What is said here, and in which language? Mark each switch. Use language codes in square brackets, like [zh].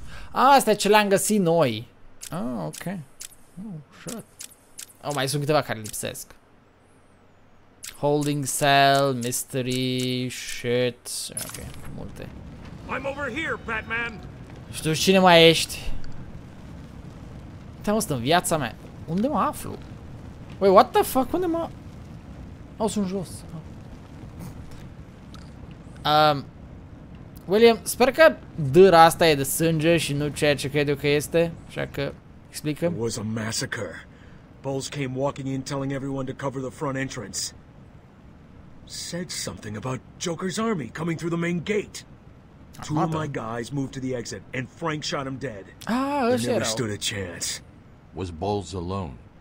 [ro] Ah, astea ce le-am găsit noi. Ah, ok. [en] Oh, shit. [ro] Oh, mai sunt câteva care lipsesc. [en] Holding cell, mystery, shit. [ro] Ok, multe. [en] I'm over here, Batman. [ro] Știu cine mai ești. Uite, mă, sunt în viața mea. Unde mă aflu? [en] Wait, what the fuck? [ro] Unde mă... Oh, sunt jos. William, sper că dâra asta e de sânge și nu ceea ce cred eu că este, așa că explică. [en] It was a massacre. Bulls came walking in telling everyone to cover the front entrance. Said something about Joker's army coming through the main gate. Two of my guys moved to the exit and Frank shot him dead. [ro] Ah, ăsta era. [en] Never stood a chance. Was Bulls alone?